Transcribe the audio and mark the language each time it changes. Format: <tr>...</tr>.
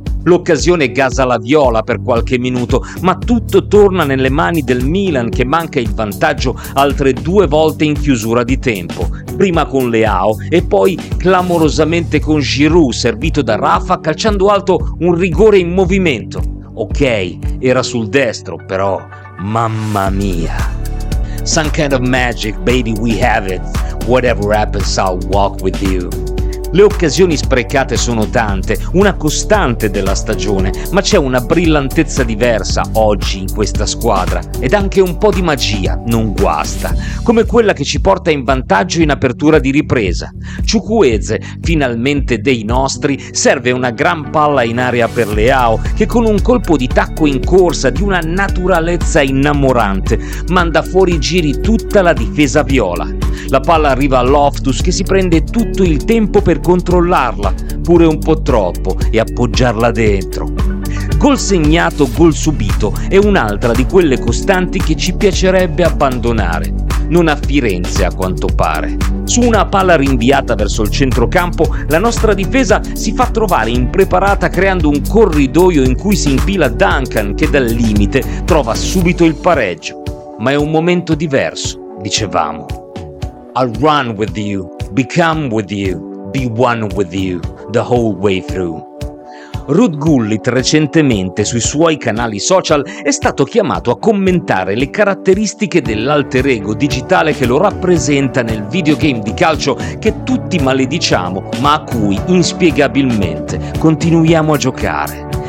<it>L'occasione gasa la viola per qualche minuto, ma tutto torna nelle mani del Milan che manca il vantaggio altre 2 volte in chiusura di tempo, prima con Leao e poi clamorosamente con Giroud servito da Rafa calciando alto un rigore in movimento. Ok, era sul destro, però mamma mia.</it> <en>Some kind of magic, baby, we have it. Whatever happens, I'll walk with you.</en> <it>Le occasioni sprecate sono tante, una costante della stagione, ma c'è una brillantezza diversa oggi in questa squadra ed anche un po' di magia non guasta, come quella che ci porta in vantaggio in apertura di ripresa. Chukwueze, finalmente dei nostri, serve una gran palla in area per Leao che con un colpo di tacco in corsa di una naturalezza innamorante manda fuori giri tutta la difesa viola. La palla arriva a Loftus che si prende tutto il tempo per controllarla, pure un po' troppo, e appoggiarla dentro. Gol segnato, gol subito, è un'altra di quelle costanti che ci piacerebbe abbandonare. Non a Firenze, a quanto pare. Su una palla rinviata verso il centrocampo, la nostra difesa si fa trovare impreparata creando un corridoio in cui si infila Duncan che dal limite trova subito il pareggio. Ma è un momento diverso, dicevamo.</it> <en>I'll run with you, become with you, be one with you, the whole way through.</en> <it>Ruud Gullit recentemente sui suoi canali social è stato chiamato a commentare le caratteristiche dell'alter ego digitale che lo rappresenta nel videogame di calcio che tutti malediciamo ma a cui inspiegabilmente continuiamo a giocare.</it>